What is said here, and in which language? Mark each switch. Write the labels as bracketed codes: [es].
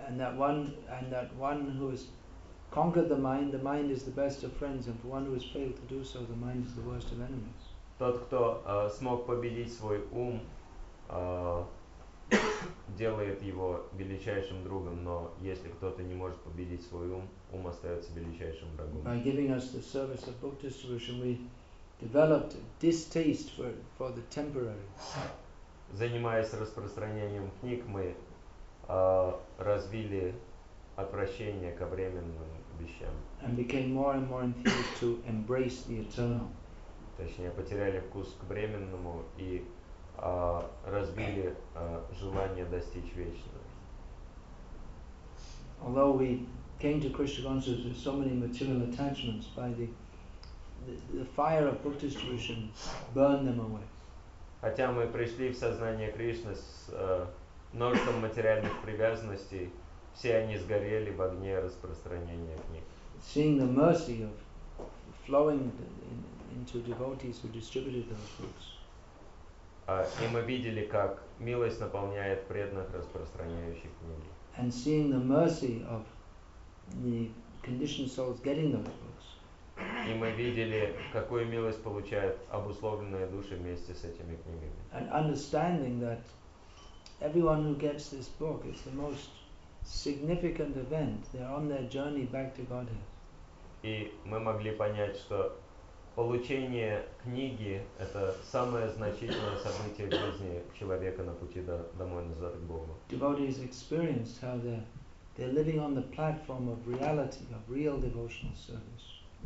[en] And that one who has conquered the mind is the best of friends, and for one who has failed to do so, the mind is the worst of enemies. [ru] Тот, кто смог победить свой ум, делает его величайшим другом, но если кто-то не может победить свой ум, ум остается величайшим врагом. [en] By giving us the service of book distribution, we developed a distaste for the temporary. [ru] Занимаясь распространением книг, мы развили отвращение ко временным вещам. [en] And became more and more enthused to embrace the eternal. [ru] Точнее, потеряли вкус к временному и разбили желание достичь вечного. [en] Although we came to Krishna consciousness with so many material attachments, by the fire of book distribution burned them away. [ru] Хотя мы пришли в сознание Кришны с множеством материальных привязанностей, все они сгорели в огне распространения книг. [en] Seeing the mercy of flowing into devotees who distributed those books. [ru] И мы видели, как милость наполняет преданных, распространяющих книги. [en] And seeing the mercy of the conditioned souls getting those books. [ru] И мы видели, какую милость получают обусловленные души вместе с этими книгами. [en] And understanding that everyone who gets this book is the most significant event. They're on their journey back to Godhead. [ru] И мы могли понять, что получение книги – это самое значительное событие в жизни человека на пути домой назад к Богу. [en] Devotees experienced how they're living on the platform of reality, of real devotional service.